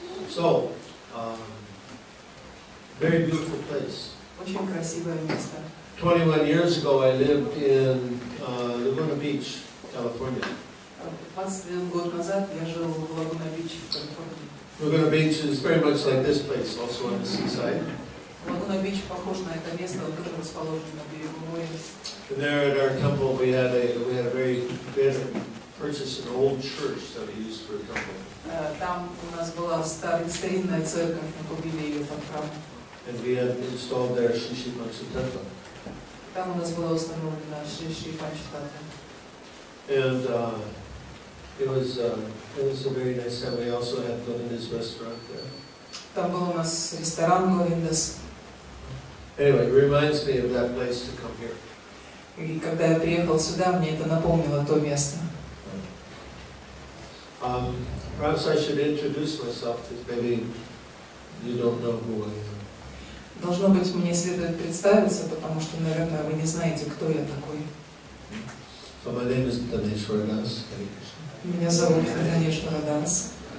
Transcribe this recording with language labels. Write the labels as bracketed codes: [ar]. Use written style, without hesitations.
[en] So, very beautiful place. [ru] Очень красивое место. [en] 21 years ago I lived in Laguna Beach, California. [ru] 21 год назад я жил в Лагуна Бич, в Калифорнии. [en] Laguna Beach is very much like this place, also on the seaside. [ru] Laguna Beach похож на это место, он тоже расположен на берегу моря. [en] And there at our temple we had a very good purchase an old church that we used for a temple. [ru] Там у нас была старинная церковь, мы купили ее под храм. [en] And we had installed there Шиши Панчхатха. [ru] Там у нас была установлена Шиши Панчхатха. [en] And It was a very nice time. We also had Govinda's restaurant there. [ru] Там был у нас ресторан Govinda's. [en] Anyway, it reminds me of that place to come here. [ru] И когда я приехал сюда, мне это напомнило то место. [en] Perhaps I should introduce myself, maybe you don't know who I am. [ru] Должно быть, мне следует представиться, потому что, наверное, вы не знаете, кто я такой. [en] So my name is Dhaneshwara Das. [ru] Меня зовут Дханешвара Дас.